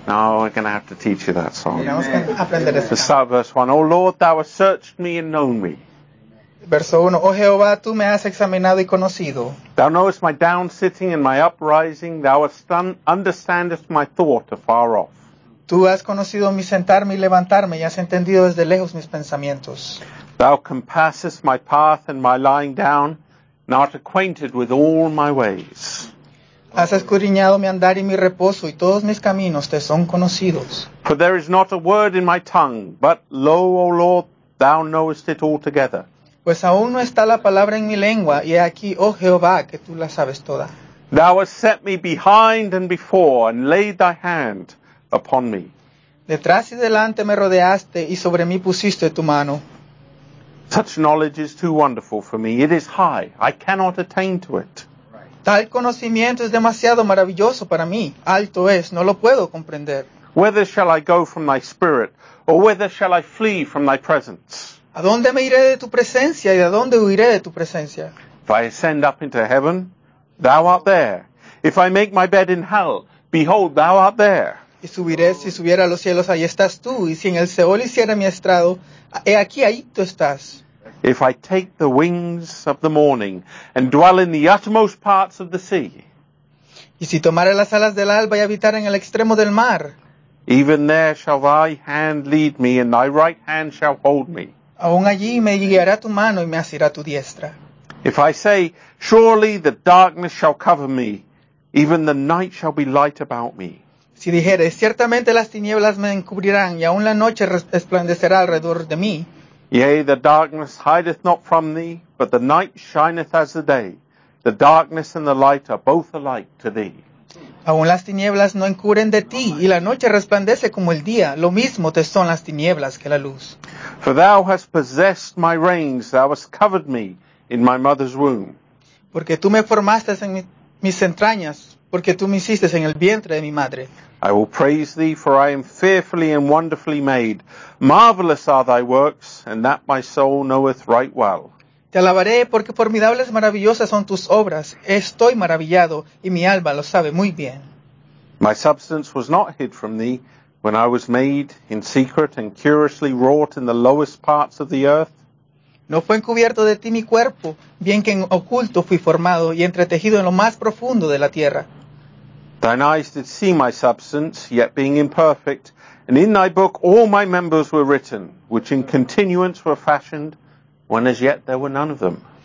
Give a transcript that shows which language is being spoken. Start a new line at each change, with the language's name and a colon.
English: No, we're going to have to teach you that song. Amen. The start of verse 1. O Lord, thou hast searched me and known me.
Spanish: Verso 1. Oh Jehová, tú me has examinado y conocido.
English: Thou knowest my down sitting and my uprising. Thou understandest my thought afar off.
Spanish: Tú has conocido mi sentarme y levantarme y has entendido desde lejos mis pensamientos.
English: Thou compassest my path and my lying down, not acquainted with all my ways.
Spanish: Has escudriñado mi andar y mi reposo, y todos mis caminos te son conocidos.
English: For there is not a word in my tongue, but lo, O Lord, thou knowest it altogether.
Spanish: Pues aún no está la palabra en mi lengua, y he aquí, oh Jehová, que tú la sabes toda.
English: Thou hast set me behind and before, and laid thy hand upon me.
Spanish: Detrás y delante me rodeaste, y sobre mí pusiste tu mano.
English: Such knowledge is too wonderful for me. It is high. I cannot attain to it.
Spanish: Tal conocimiento es demasiado maravilloso para mí. Alto es, no lo puedo comprender.
English: Whither shall I go from thy spirit, or whither shall I flee from thy presence?
Spanish: ¿A dónde me iré de tu presencia, y a dónde huiré de tu presencia?
English: If I ascend up into heaven, thou art there. If I make my bed in hell, behold, thou art there.
Spanish: Y subiré, si subiera a los cielos, ahí estás tú. Y si en el Seol hiciera mi estrado, he aquí, ahí tú estás.
English: If I take the wings of the morning and dwell in the uttermost parts of the sea,
Spanish: y si tomare las alas del alba y habitar en el extremo del mar,
English: even there shall thy hand lead me and thy right hand shall hold me.
Spanish: Aun allí me guiará tu mano y me asirá tu diestra.
English: If I say, surely the darkness shall cover me, even the night shall be light about me.
Spanish: Si dijere, ciertamente las tinieblas me encubrirán y aun la noche resplandecerá alrededor de mí.
English: Yea, the darkness hideth not from thee, but the night shineth as the day. The darkness and the light are both alike to thee.
Spanish: Aun las tinieblas no encubren de ti, y la noche resplandece como el día. Lo mismo te son las tinieblas que la luz.
English: For thou hast possessed my reins, thou hast covered me in my mother's womb.
Spanish: Porque tú me formaste en mis entrañas, porque tú me hiciste en el vientre de mi madre.
English: I will praise thee, for I am fearfully and wonderfully made. Marvelous are thy works, and that my soul knoweth right well.
Spanish: Te alabaré, porque formidables maravillosas son tus obras. Estoy maravillado, y mi alma lo sabe muy bien.
English: My substance was not hid from thee, when I was made in secret and curiously wrought in the lowest parts of the earth.
Spanish: No fue encubierto de ti mi cuerpo, bien que en oculto fui formado y entretejido en lo más profundo de la tierra.
English: Thine eyes did see my substance, yet being imperfect, and in thy book all my members were written, which in continuance were fashioned, when as yet there were none of them.